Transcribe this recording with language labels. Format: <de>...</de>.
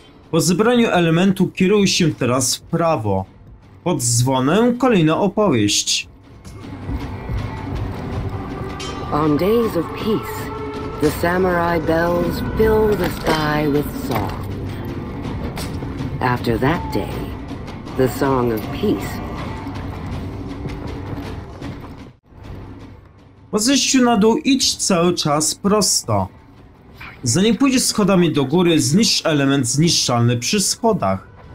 <pl>Po zebraniu elementu kieruj się teraz w prawo. pod dzwonem kolejna opowieść.</pl> <en>On days of peace, the samurai bells fill the sky with song. After that day, the song of peace.</en> <pl>Po zejściu na dół idź cały czas prosto. Zanim pójdziesz schodami do góry, zniszcz element zniszczalny przy schodach.</pl>